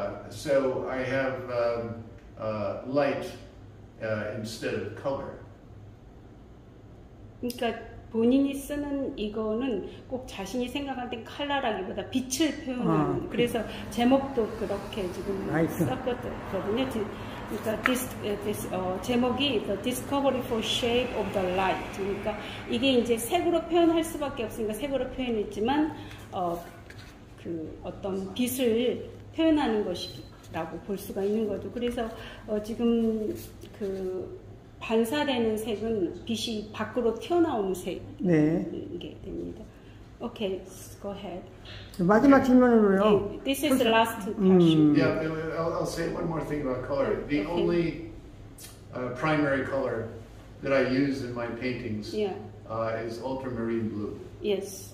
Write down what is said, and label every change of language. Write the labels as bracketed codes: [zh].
[en] So I have light instead of color. [ko] 본인이 쓰는 이거는 꼭 자신이 생각할 때 컬러라기보다 빛을 표현하는 그래서 제목도 그렇게 지금 썼거든요. 그러니까 제목이 The Discovery for Shape of the Light. 그러니까 이게 이제 색으로 표현할 수밖에 없으니까 색으로 표현했지만 그 어떤 빛을 표현하는 것이라고 볼 수가 있는 거죠. 그래서 지금 그 반사되는 색은 빛이 밖으로 튀어나오는 색이게 됩니다. [en] 오케이, go ahead. [ko] 마지막 질문으로요. [en] This is the last question. Yeah, I'll say one more thing about color. The only primary color that I use in my paintings is ultramarine blue. Yes.